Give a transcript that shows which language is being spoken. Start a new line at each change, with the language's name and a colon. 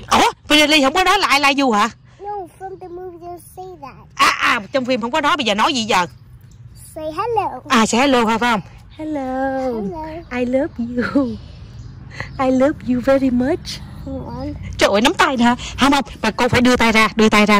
Vietnamese: Ủa, Prince Ali không có nói là
English: I like you
Vietnamese: hả?
English: No, from the movie they say that.
Vietnamese: À, trong phim không có nói, bây giờ nói gì giờ?
English: Say hello.
Vietnamese: À,
English: say hello
Vietnamese: phải không?
English: Hello. Hello. I love you. I love you very much.
Vietnamese: Trời ơi, nắm tay nè. Không, mà cô phải đưa tay ra.